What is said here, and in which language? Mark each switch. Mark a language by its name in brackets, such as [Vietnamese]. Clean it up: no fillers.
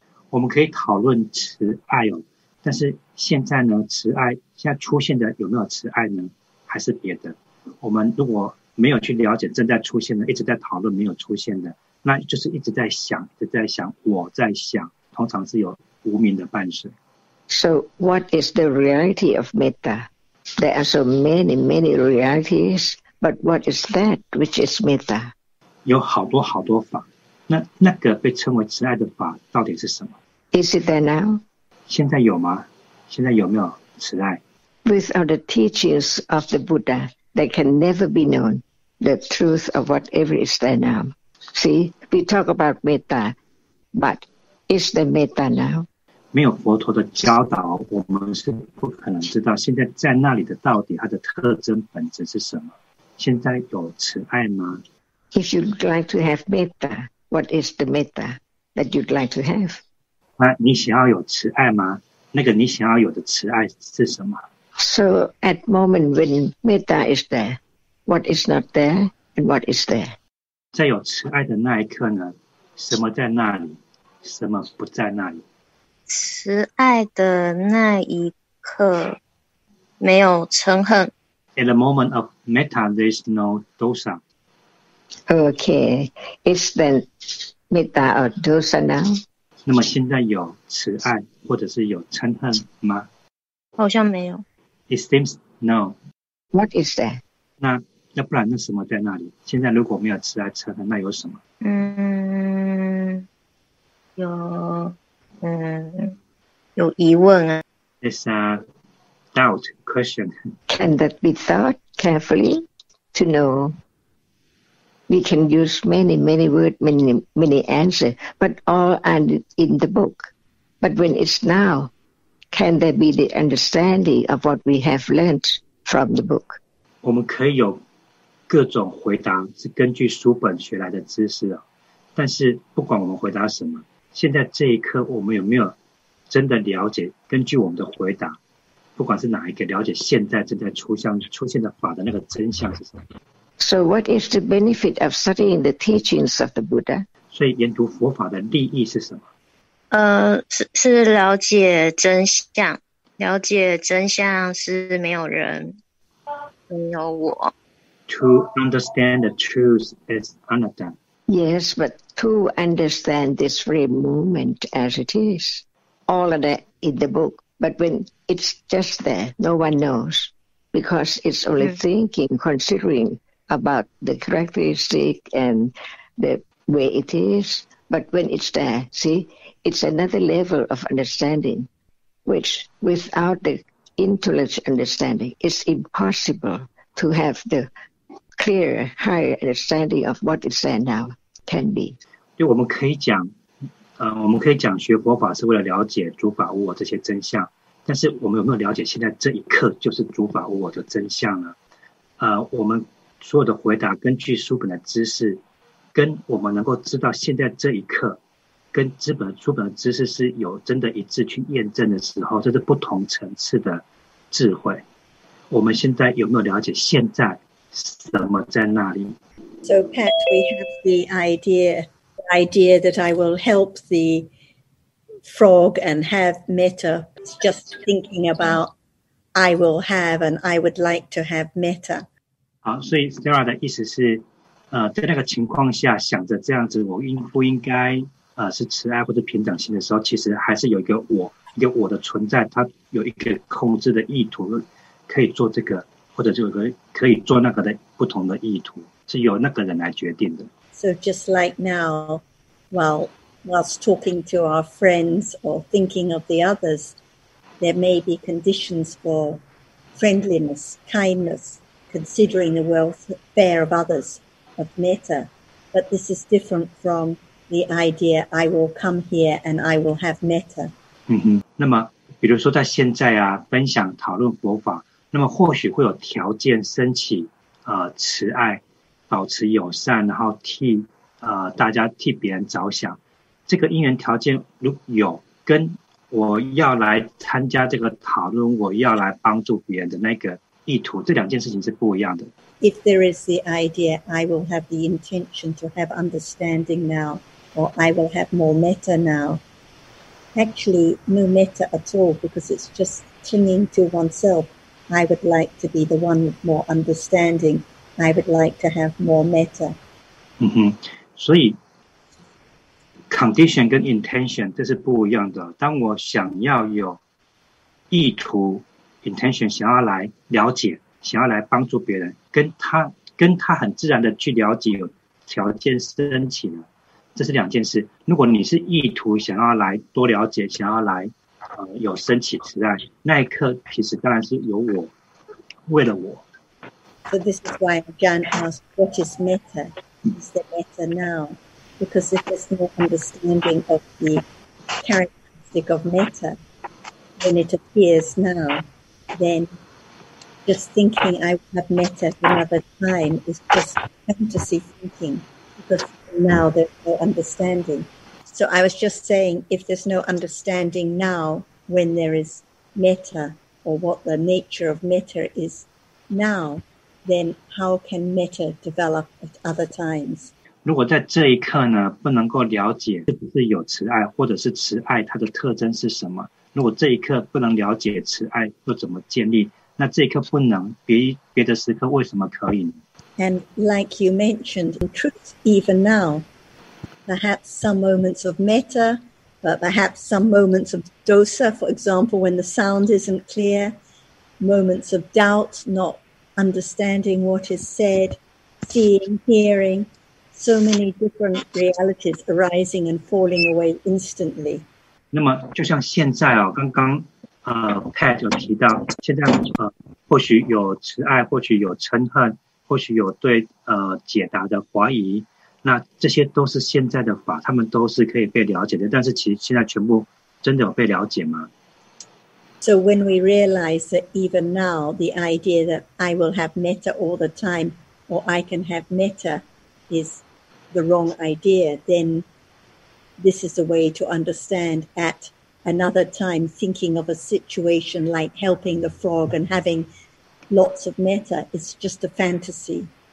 [Chinese] 我们可以讨论慈爱哦，但是现在呢，慈爱现在出现的有没有慈爱呢？还是别的？我们如果没有去了解正在出现的，一直在讨论没有出现的，那就是一直在想，一直在想，我在想，通常是有无明的伴随。 [English] So what is the reality of metta? There are so many, many realities, but what is that which is metta? [Chinese] 有好多好多法，那个被称为慈爱的法到底是什么 [English] ？Is it there now? [Chinese] 现在有吗？现在有没有慈爱 [English] ？Without the teachings of the Buddha. That can never be known, the truth of whatever is there now. See, we talk about metta, but is the metta now? [Chinese] 没有佛陀的教导，我们是不可能知道现在在那里的到底它的特征本质是什么。现在有慈爱吗？ [English] If you'd like to have metta, what is the metta that you'd like to have? [Chinese] 那你想要有慈爱吗？那个你想要有的慈爱是什么？ [English] So at moment when metta is there, what is not there and what is there? [Chinese] 在有慈爱的那一刻呢，什么在那里，什么不在那里？慈爱的那一刻没有嗔恨。 [English] At the moment of metta, there is no dosa. Okay, is then metta or dosa now? [Chinese] 那么现在有慈爱或者是有嗔恨吗？好像没有。 [English] It seems no. What is that? [Chinese] 那要不然那什么在那里？现在如果没有慈爱嗔恨，那有什么？有疑问啊。 [English] It's a doubt, question. Can that be thought carefully to know? We can use many, many words, many, many answers, but all are in the book. But when it's now, can there be the understanding of what we have learned from the book? [Chinese] 我们可以有各种回答是根据书本学来的知识哦。但是不管我们回答什么，现在这一刻我们有没有真的了解根据我们的回答，不管是哪一个，了解现在正在出现的法的那个真相是什么。 [English] So what is the benefit of studying the teachings of the Buddha? [Chinese] 所以研读佛法的利益是什么？是了解真相，了解真相是没有人，没有我。 [English] To understand the truth is anatta. Yes, but to understand this very moment as it is, all of that in the book, but when it's just there, no one knows, because it's only thinking, considering about the characteristic and the way it is, but when it's there, see, it's another level of understanding, which without the intellect understanding, it's impossible to have the clear, higher understanding of what is there now can be. [Chinese] 就我们可以讲，我们可以讲学佛法是为了了解诸法无我这些真相，但是我们有没有了解现在这一刻就是诸法无我的真相呢？我们所有的回答根据书本的知识，跟我们能够知道现在这一刻，跟书本的知识是有真的一致去验证的时候，这是不同层次的智慧。我们现在有没有了解现在什么在那里 [English] ？So Pat, we have the idea that I will help the frog and have metta. Just thinking about I will have and I would like to have metta. [Chinese] 好，所以 Stella 的意思是，在那个情况下，想着这样子，我应不应该，是慈爱或者平等心的时候，其实还是有一个我，一个我的存在，它有一个控制的意图，可以做这个，或者就有个可以做那个的不同的意图，是由那个人来决定的。 [English] So just like now, whilst talking to our friends or thinking of the others, there may be conditions for friendliness, kindness. Considering the welfare of others, of metta. But this is different from the idea, I will come here and I will have metta. [Chinese] 那么比如说在现在啊，分享讨论佛法，那么或许会有条件升起，慈爱，保持友善，然后替，大家替别人着想。这个因缘条件如有跟我要来参加这个讨论，我要来帮助别人的那个意图，这两件事情是不一样的。 [English] If there is the idea, I will have the intention to have understanding now, or I will have more metta now. Actually, no metta at all, because it's just clinging to oneself. I would like to be the one with more understanding. I would like to have more metta. [Chinese] 所以 condition 跟 intention 这是不一样的。当我想要有意图。 Intention 想要来了解，想要来帮助别人，跟他很自然的去了解，有条件申请了，这是两件事。如果你是意图想要来多了解，想要来有申请慈爱，那一刻其实当然是有我，为了我。 [English] So this is why John asked, "What is metta? Is the metta now? Because if there's no understanding of the characteristic of metta, then it appears now." Then just thinking I would have metta another time is just fantasy thinking because now there's no understanding. So I was just saying if there's no understanding now when there is metta or what the nature of metta is now, then how can metta develop at other times? [Chinese] 如果在这一刻呢不能够了解是不是有慈爱或者是慈爱它的特征是什么如果这一刻不能了解慈爱又怎么建立那这一刻不能 别的时刻为什么可以 [English] And like you mentioned, in truth, even now, perhaps some moments of metta, but perhaps some moments of dosa, for example, when the sound isn't clear, moments of doubt, not understanding what is said, seeing, hearing, so many different realities arising and falling away instantly. [Chinese] 那么就像现在哦刚刚 Pat 有提到，现在或许有慈爱，或许有嗔恨，或许有对解答的怀疑，那这些都是现在的法，他们都是可以被了解的。但是其实现在全部真的有被了解吗？ [English] So when we realize that even now, the idea that I will have metta all the time, or I can have metta, is the wrong idea, then this is the way to understand at another time, thinking of a situation like helping the frog and having lots of metta is just a fantasy.